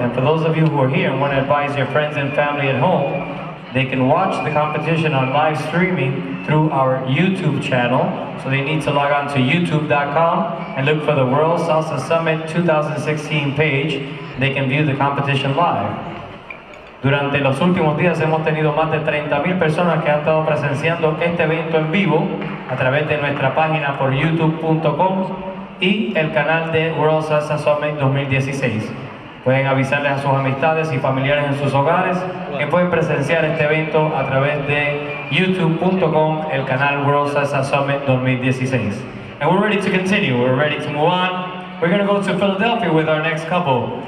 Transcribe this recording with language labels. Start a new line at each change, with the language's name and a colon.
English: And for those of you who are here and want to advise your friends and family at home, they can watch the competition on live streaming through our YouTube channel. So they need to log on to youtube.com and look for the World Salsa Summit 2016 page. They can view the competition live.
Spanish: Durante los últimos días hemos tenido más de 30,000 personas que han estado presenciando este evento en vivo a través de nuestra página por youtube.com y el canal de World Salsa Summit 2016. Pueden avisarles a sus amistades y familiares en sus hogares que pueden presenciar este evento a través de youtube.com, el canal World Salsa Summit 2016.
English: And we're ready to continue, we're ready to move on. We're going to go to Philadelphia with our next couple.